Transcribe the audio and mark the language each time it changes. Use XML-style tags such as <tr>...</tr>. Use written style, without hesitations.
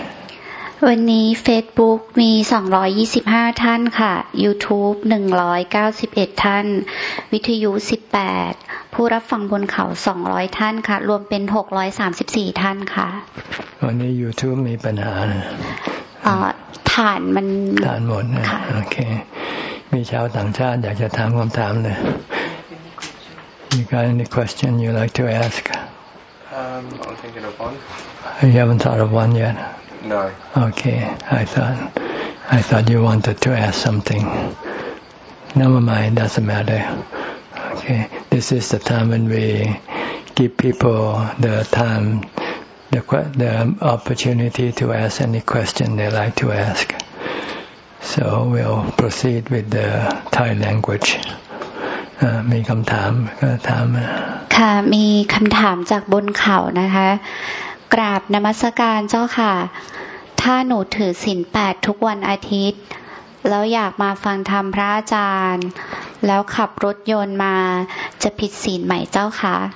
<th>วันนี้ Facebook มี225ท่านค่ะ YouTube 191ท่านวิทยุ18ผู้รับฟังบนเขา200ท่านค่ะรวมเป็น634ท่านค่ะ วันนี้ YouTube มีปัญหานะ ฐานมัน ฐานหมดนะโอเคมีชาวต่างชาติอยากจะถามคำถามเลย</th> <en>You got any question you like to ask? I'm thinking of one. You haven't thought of one yet? No. Okay, I thought you wanted to ask something. Never mind, doesn't matter. Okay, this is the time when we give people the time, the opportunity to ask any question they like to ask. So we'll proceed with the Thai language.</en> <th>มีคำถามก็ถาม ค่ะมีคำถามจากบนเขานะคะกราบนมัสการเจ้าค่ะถ้าหนูถือศีล8ทุกวันอาทิตย์แล้วอยากมาฟังธรรมพระอาจารย์แล้วขับรถยนต์มาจะผิดศีลไหมเจ้าค่ะ</th>